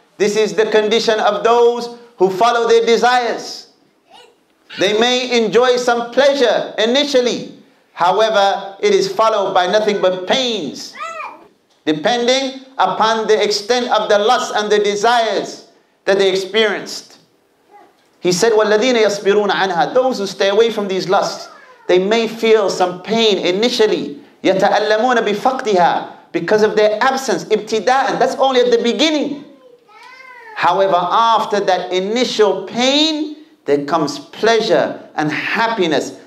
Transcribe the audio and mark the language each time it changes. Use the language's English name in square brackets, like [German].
[English] This is the condition of those who follow their desires. They may enjoy some pleasure initially. However, it is followed by nothing but pains. Depending upon the extent of the lust and the desires that they experienced. He said, [Arabic] وَالَّذِينَ يَصْبِرُونَ عَنْهَا. [English] Those who stay away from these lusts, they may feel some pain initially. [Arabic] يَتَأَلَّمُونَ بِفَقْدِهَا. [English] Because of their absence, ibtida'an, that's only at the beginning. However, after that initial pain, there comes pleasure and happiness